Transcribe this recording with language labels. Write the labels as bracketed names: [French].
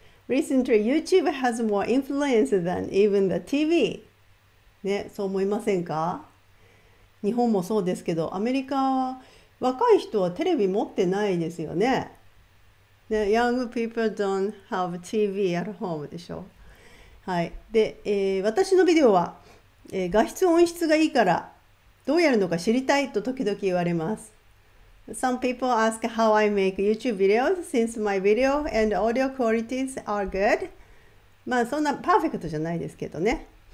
[English] Recently, YouTube has more influence than even the TV。 [Japanese] ね、そう思いませんか？日本もそうですけど、アメリカは若い人はテレビ持ってないですよね。 [English] ね、Young people don't have TV at home でしょ。 [Japanese] はい。で、私のビデオは、画質音質がいいからどうやるのか知りたいと時々言われます。 [English] Some people ask how I make YouTube videos since my video and audio qualities are good。 [Japanese] まあそんなパーフェクトじゃないですけどね。